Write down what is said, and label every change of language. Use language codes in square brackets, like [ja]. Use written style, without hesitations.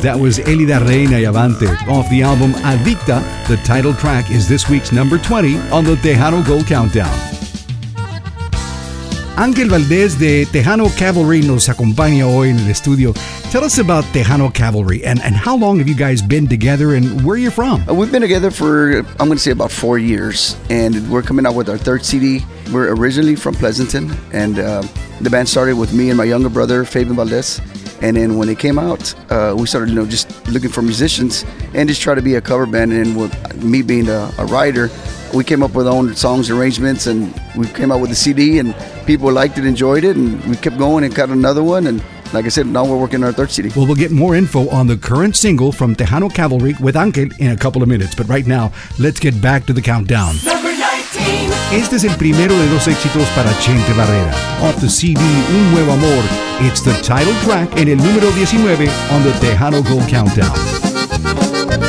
[en] That was Elida Reina y Avante off the album Adicta. The title track is this week's number 20 on the Tejano Gold Countdown. [es] Ángel Valdez de Tejano Cavalry nos acompaña hoy en el estudio. [en] Tell us about Tejano Cavalry and how long have you guys been together and where are you from? We've been together for, I'm going to say about 4 years, and we're coming out with our third CD. We're originally from Pleasanton, and the band started with me and my younger brother, Fabian Valdez. And then when they came out, we started, you know, just looking for musicians and just try to be a cover band. And with me being a writer, we came up with our own songs, arrangements, and we came out with the CD, and people liked it, enjoyed it, and we kept going and got another one. And like I said, now we're working on our third CD. Well, we'll get more info on the current single from Tejano Cavalry with Ángel in a couple of minutes. But right now, let's get back to the countdown. [es] Este es el primero de dos éxitos para Chente Barrera. [en] Off the CD, Un Nuevo Amor, it's the title track [es] en el número 19 [en] on the Tejano Gold Countdown.